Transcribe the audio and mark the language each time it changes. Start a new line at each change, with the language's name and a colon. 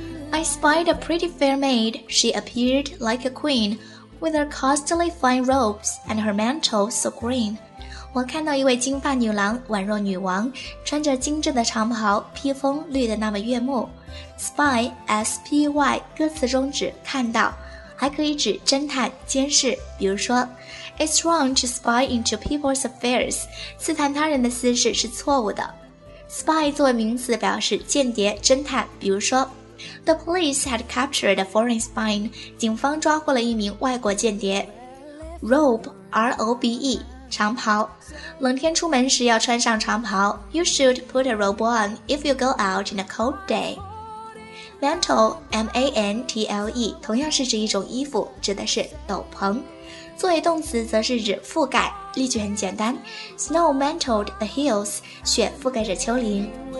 English: I spied a pretty fair maid. She appeared like a queen with her costly fine robes and her mantle so green.
Chinese: 我看到一位金发女郎，宛若女王，穿着精致的长袍，披风绿得那么悦目。 Spy, S-P-Y, 歌词中指看到，还可以指侦探、监视，比如说
English: It's wrong to spy into people's affairs.
Chinese: 刺探他人的私事是错误的。 Spy 作为名词表示间谍、侦探，比如说
English: The police had captured a foreign spy.
Chinese: 警方抓获了一名外国间谍。Robe, R-O-B-E, 长袍，冷天出门时要穿上长袍。
English: You should put a robe on if you go out in a cold day.
Chinese: Mantle, M-A-N-T-L-E, 同样是指一种衣服，指的是斗篷。作为动词则是指覆盖。例句很简单，
English: Snow mantled the hills,
Chinese: 雪覆盖着丘陵。